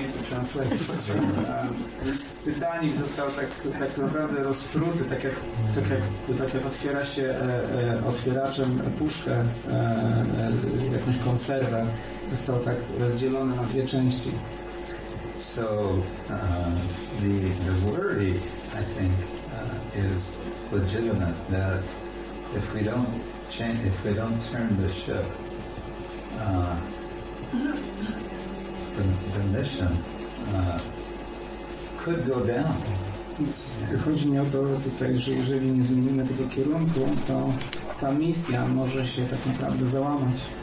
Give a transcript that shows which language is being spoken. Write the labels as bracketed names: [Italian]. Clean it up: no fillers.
[Polish] Titanic został tak naprawdę rozpruty, tak jak otwiera się otwieraczem puszkę, jakąś konserwę, został tak rozdzielony na dwie części. [English] So the worry, I think, is legitimate that if we don't change, if we don't turn the ship, the mission could go down. [Polish] Chodzi mi o to tutaj, że jeżeli nie zmienimy tego kierunku, to ta misja może się tak naprawdę załamać.